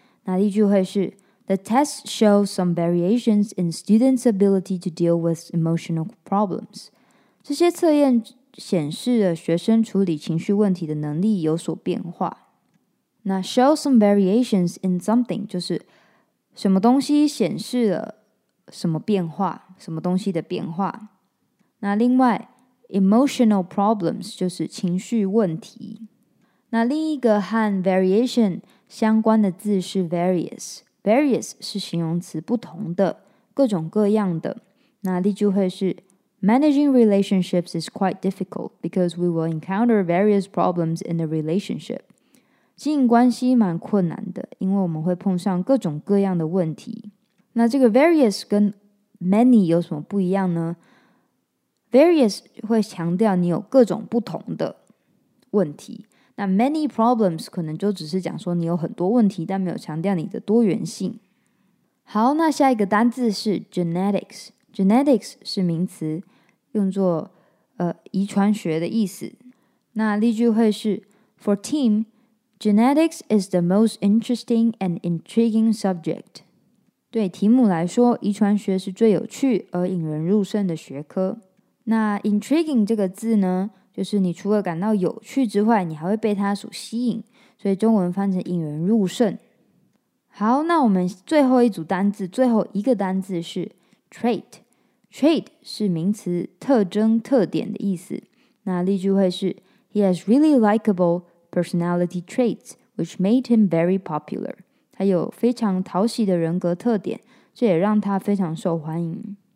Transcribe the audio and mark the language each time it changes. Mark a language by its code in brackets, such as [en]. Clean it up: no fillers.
[zh] 那例句会是 [en] The test shows some variations in students' ability to deal with emotional problems。 [zh] 这些测验显示了学生处理情绪问题的能力有所变化。那 [en] show some variations in something [zh] 就是什么东西显示了什么变化，什么东西的变化。那另外 [en] emotional problems [zh] 就是情绪问题。那另一个和 variation 相关的字是 various。 various 是形容词，不同的，各种各样的。那例句会是 [en] managing relationships is quite difficult because we will encounter various problems in the relationship。 [zh] 经营关系蛮困难的，因为我们会碰上各种各样的问题。那这个 various 跟 many 有什么不一样呢？ various 会强调你有各种不同的问题，那 [en] many problems [zh] 可能就只是讲说你有很多问题，但没有强调你的多元性。好，那下一个单字是 genetics。genetics 是名词，用作遗传学的意思。那例句会是 [en] for teamGenetics is the most interesting and intriguing subject. [zh] 对题目来说，遗传学是最有趣而引人入胜的学科。那 intriguing 这个字呢，就是你除了感到有趣之外，你还会被它所吸引，所以中文翻成引人入胜。好，那我们最后一组单字，最后一个单字是 trait。 trait 是名词，特征、特点的意思。那例句会是 [en] He is really likablePersonality traits, which made him very popular. [zh] 他有非常讨喜的人格特点，这也让他非常受欢迎。